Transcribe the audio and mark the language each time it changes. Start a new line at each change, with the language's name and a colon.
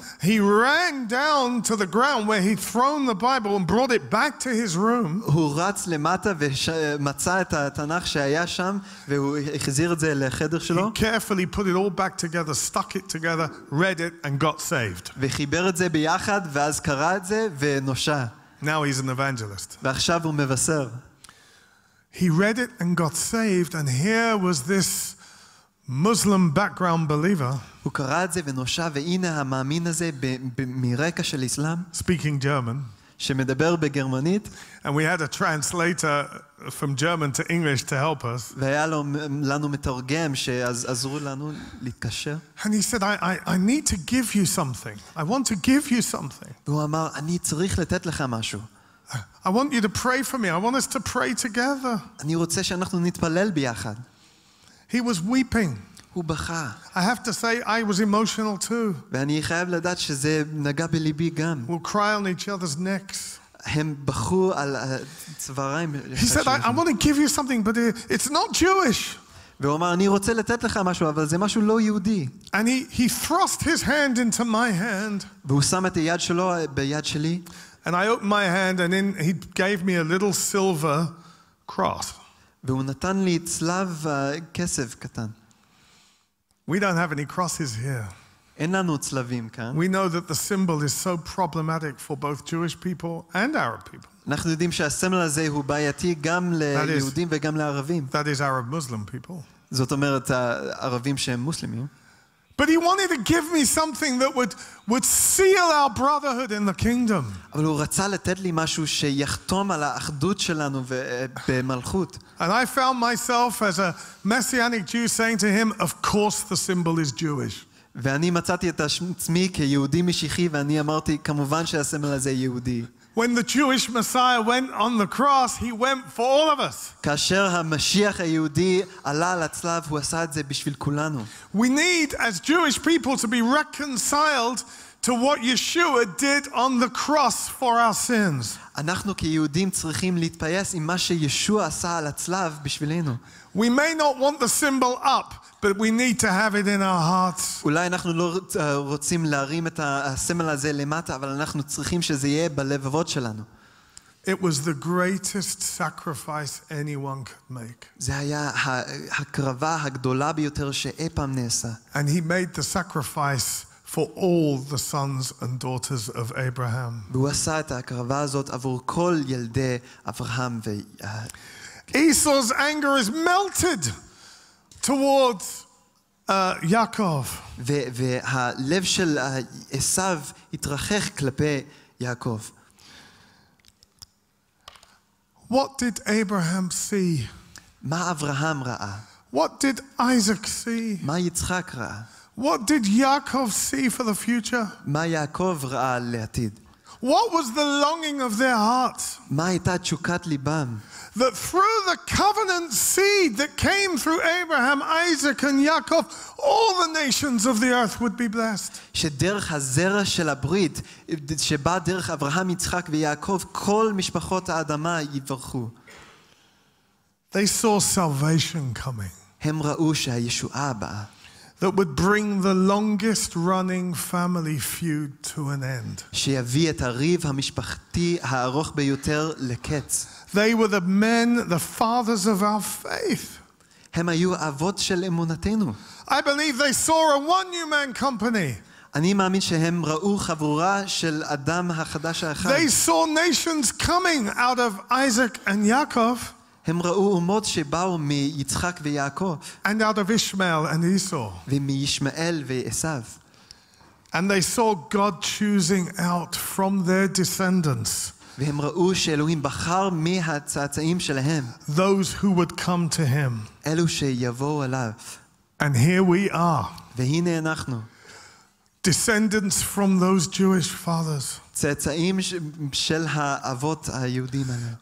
English: He ran down to the ground where he'd thrown the Bible and brought it back to his room.
Hebrew: הוא רץ למטה ומצא את התנ"ך שהיה שם והוא החזיר את זה לחדר שלו.
English: He carefully put it all back together, stuck it together, read it, and got saved.
Hebrew: וחיבר את זה ביחד ואז קרא את זה ונושע.
English: Now he's an evangelist.
Hebrew: ועכשיו הוא מבשר.
English: He read it and got saved, and here was this Muslim background believer.
Hebrew: הוא קרא את זה ונושע, והנה המאמין הזה מרקע של אסלאם.
English: Speaking German.
Hebrew: שמדבר בגרמנית.
English: And we had a translator from German to English to help us.
Hebrew: והיה לנו מתרגם שעזרו לנו להתקשר.
English: And he said, I need to give you something. I want to give you something.
Hebrew: והוא אמר, אני צריך לתת לך משהו.
English: I want you to pray for me. I want us to pray together.
Hebrew: אני רוצה שאנחנו נתפלל ביחד.
English: He was weeping.
Hebrew: הוא בכה.
English: I have to say I was emotional too.
Hebrew: ואני חייב לדעת שזה נגע בליבי גם.
English: We'll cry on each other's necks.
Hebrew: הם בכו על צוואריים.
English: He said, I want to give you something, but it's not Jewish.
Hebrew: והוא אמר, אני רוצה לתת לך משהו, אבל זה משהו לא יהודי.
English: And he thrust his hand into my hand.
Hebrew: והוא שם את היד שלו ביד שלי.
English: And I opened my hand, and then he gave me a little silver cross.
Hebrew: והוא נתן לי צלב כסף קטן.
English: We don't have any crosses here.
Hebrew: אין לנו צלבים כאן.
English: We know that the symbol is so problematic for both Jewish people and Arab people.
Hebrew: אנחנו יודעים שהסמל הזה הוא בעייתי גם ליהודים וגם לערבים.
English: That is Arab Muslim people.
Hebrew: זאת אומרת ערבים שהם מוסלמים.
English: But he wanted to give me something that would seal our brotherhood in the kingdom.
Hebrew: אבל הוא רצה לתת לי משהו שיחתום על האחדות שלנו במלכות.
English: And I found myself as a messianic Jew saying to him, "Of course the symbol is Jewish."
Hebrew: ואני מצאתי את עצמי כיהודי משיחי ואני אמרתי כמובן שהסמל הזה יהודי.
English: When the Jewish Messiah went on the cross, he went for all of us.
Hebrew: כאשר המשיח היהודי עלה לצלב, הוא עשה את זה בשביל כולנו.
English: We need, as Jewish people, to be reconciled to what Yeshua did on the cross for our sins.
Hebrew: אנחנו כיהודים צריכים להתפייס עם מה שישוע עשה על הצלב בשבילנו.
English: We may not want the symbol up, but we need to have it in our hearts.
Hebrew: אולי אנחנו לא רוצים להרים את הסמל הזה למטה, אבל אנחנו צריכים שזה יהיה בלבבות שלנו.
English: It was the greatest sacrifice anyone could make.
Hebrew: זה היה הקרבה הגדולה ביותר שאי פעם נעשה.
English: And he made the sacrifice for all the sons and daughters of Abraham.
Hebrew: והוא עשה את ההקרבה הזאת עבור כל ילדי אברהם.
English: Esau's anger is melted towards Yaakov.
Hebrew: והלב של עשיו התרחך כלפי יעקב.
English: What did Abraham see?
Hebrew: מה אברהם ראה?
English: What did Isaac see?
Hebrew: מה יצחק ראה?
English: What did Yaakov see for the future?
Hebrew: מה יעקב ראה לעתיד?
English: What was the longing of their heart?
Hebrew: מה הייתה תשוקת ליבם?
English: That through the covenant seed that came through Abraham, Isaac, and Yaakov, all the nations of the earth would be blessed.
Hebrew: שדרך הזרע של הברית, שבא דרך אברהם, יצחק ויעקב, כל משפחות האדמה יברכו.
English: They saw salvation coming.
Hebrew: הם ראו שהישועה באה.
English: That would bring the longest running family feud to an end.
Hebrew: שיביא את הריב המשפחתי הארוך ביותר לקץ.
English: They were the men, the fathers of our faith.
Hebrew: הם היו אבות של אמונתנו.
English: I believe they saw a one new man company.
Hebrew: אני מאמין שהם ראו חבורה של אדם החדש האחד.
English: They saw nations coming out of Isaac and Yaakov.
Hebrew: הם ראו אומות שבאו מיצחק ויעקב.
English: And out of Ishmael and Esau.
Hebrew: ומישמעאל ועשיו.
English: And they saw God choosing out from their descendants.
Hebrew: והם ראו שאלוהים בחר מהצאצאים שלהם.
English: Those who would come to him.
Hebrew: אלו שיבואו אליו.
English: And here we are.
Hebrew: והנה אנחנו.
English: Descendants from those Jewish fathers.
Hebrew: צאצאים של האבות היהודים האלה.